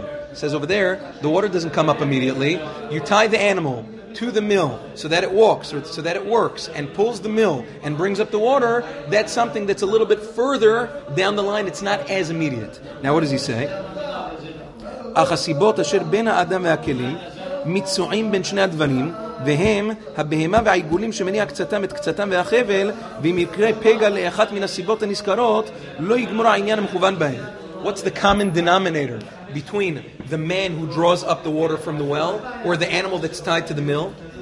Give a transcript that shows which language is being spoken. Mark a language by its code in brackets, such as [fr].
[en] It says over there, the water doesn't come up immediately. You tie the animal to the mill so that it walks, or so that it works and pulls the mill and brings up the water. That's something that's a little bit further down the line. It's not as immediate. Now, what does he say? [he] Achasibot asher ben ha'adam ve'akelim מיצועים בין שני הדברים, והם הבהמה והעיגולים שמניע קצתם את קצתם והחבל, ואם יקרה פגע לאחת מן הסיבות הנזכרות, לא יגמור העניין המכוון בהם. [en] What's the common denominator between the man who draws up the water from the well or the animal that's tied to the mill?